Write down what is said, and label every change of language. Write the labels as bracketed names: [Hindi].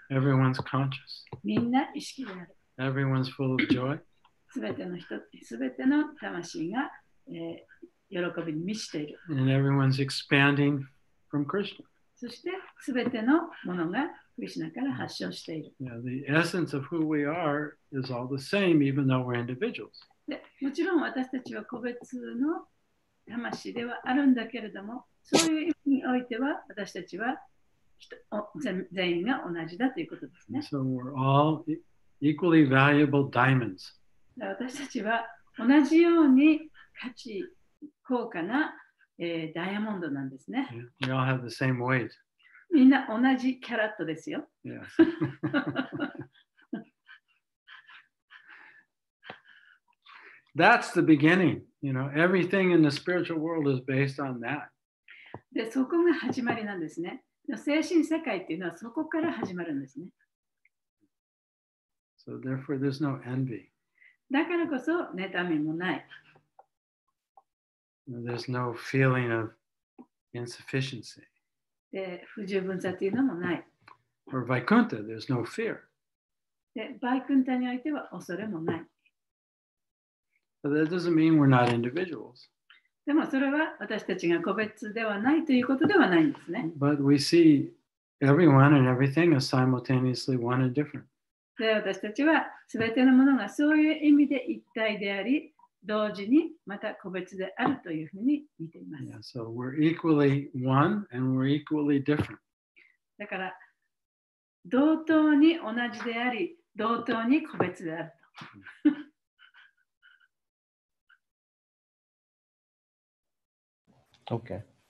[English] Everyone's conscious. [Japanese] みんな意識である。 [English] Everyone's full of joy. [Japanese] すべての魂が、喜びに満ちている。 [English] And everyone's expanding from Krishna. [Japanese] そして、すべてのものがクリシュナから発祥している。 [English] Yeah, the essence of who we are is all the same, even though we're individuals. [Japanese] で、もちろん私たちは個別の魂ではあるんだけれども、そういう意味においては私たちは全員が同じだということですね。 [English] So we're all equally valuable diamonds. [Japanese] 私たちは同じように価値高価な、ダイヤモンドなんですね。 [English] We all have the same weight. [Japanese] みんな同じキャラットですよ。 [English] Yes. That's the beginning. You know, everything in the spiritual world is based on that. [Japanese] で、そこが始まりなんですね。精神世界っていうのはそこから始まるんですね。 [English] So therefore, there's no envy. [Japanese] だからこそ、妬みもない。 [English] There's no feeling of insufficiency. [Japanese] で不十分さというのもない。 [English] For Vaikuntha, there's no fear. [Japanese] で、バイクンタにおいては恐れもない。 [English] But that doesn't mean we're not individuals. [Japanese] でもそれは私たちが個別ではないということではないんですね。 [English] But we see everyone and everything as simultaneously one and different. [Japanese] で、私たちは全てのものがそういう意味で一体であり、同時にまた個別であるというふうに見ています。 [English] Yeah, so we're equally one and we're equally different. [Japanese] だから同等に同じであり、同等に個別であると。 [English] okay.